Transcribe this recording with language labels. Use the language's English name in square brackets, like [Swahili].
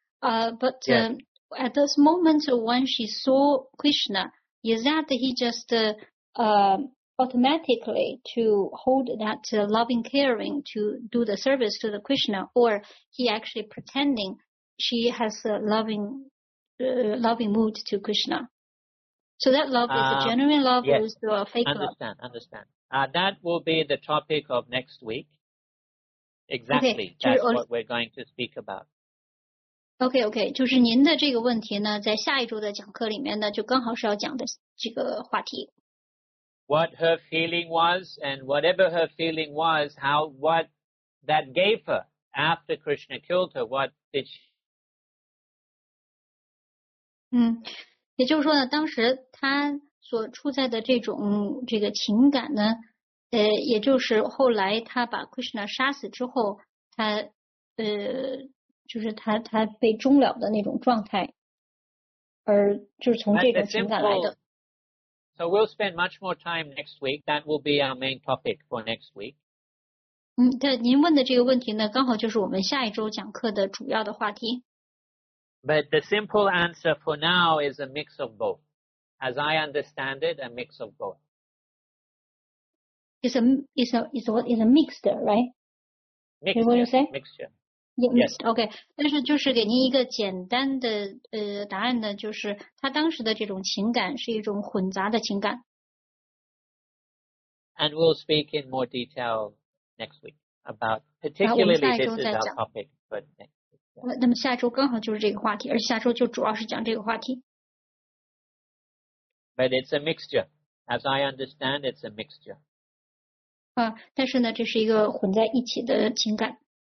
[English] At this moment when she saw Krishna, is that he just automatically to hold that loving caring to do the service to the Krishna, or he actually pretending she has a loving mood to Krishna? So that love is a genuine love or is a fake love? That will be the topic of next week. Exactly, that's what we're going to speak about. [Chinese] Okay, 就是您的这个问题呢，在下一周的讲课里面呢，就刚好是要讲的这个话题。 [English] What her feeling was, and whatever her feeling was, how what that gave her after Krishna killed her, what did she? [Chinese] 也就是说呢，当时她所处在的这个情感呢。也就是后来他把 Krishna 杀死之后，他被终了的那种状态，而就是从这种情感来的。 [English] So we'll spend much more time next week. That will be our main topic for next week. [Chinese] 对，您问的这个问题呢，刚好就是我们下一周讲课的主要的话题。 [English] But the simple answer for now is a mix of both. As I understand it, a mix of both. It's a mixture, right? Mixture. What do you say? Mixture. Yes. [Chinese] OK， 但是就是给您一个简单的答案呢，就是他当时的这种情感是一种混杂的情感。 [English] And we'll speak in more detail next week about particularly this is our topic, but next week.、 Yeah. [Chinese] 那么下周刚好就是这个话题，而下周就主要是讲这个话题。 [English] But it's a mixture. As I understand, it's a mixture. [Chinese] 啊，但是呢，这是一个混在一起的情感。